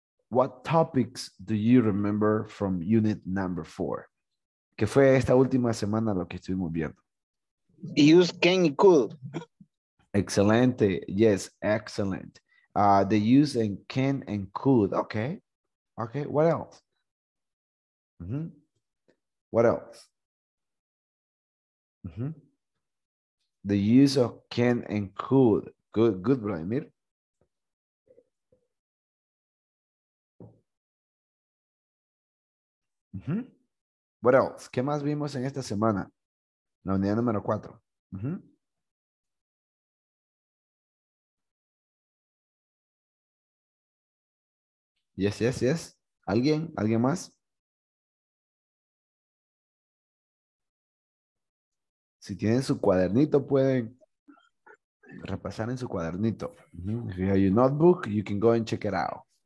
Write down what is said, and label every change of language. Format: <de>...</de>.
<en>What topics do you remember from unit number 4?</en> <es>Que fue esta última semana lo que estuvimos viendo.</es> <en>Use can y could.</en> <es>Excelente.</es> <en>Yes, excellent. The use and can and could. Okay. Okay, what else? Mm-hmm. What else? Mm-hmm. The use of can and could. Good, good, Vladimir. What else?</en> <es>¿Qué más vimos en esta semana? La unidad número 4.</es> <en>Yes, yes, yes.</en> <es>¿Alguien? ¿Alguien más? Si tienen su cuadernito, pueden repasar en su cuadernito.</es> <en>If you have your notebook, you can go and check it out.</en>